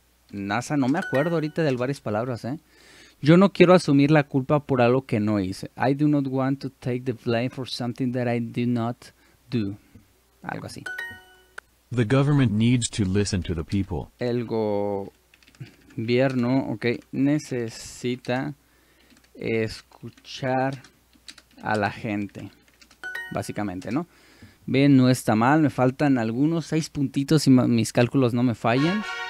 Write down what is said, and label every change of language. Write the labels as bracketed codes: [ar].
[es] Amenaza. No me acuerdo ahorita de varias palabras, Yo no quiero asumir la culpa por algo que no hice. [en] I do not want to take the blame for something that I do not do. [es] Algo así. [en] The government needs to listen to the people. [es] El gobierno, ok, necesita escuchar a la gente. Básicamente, ¿no? Bien, no está mal. Me faltan algunos 6 puntitos si mis cálculos no me fallan.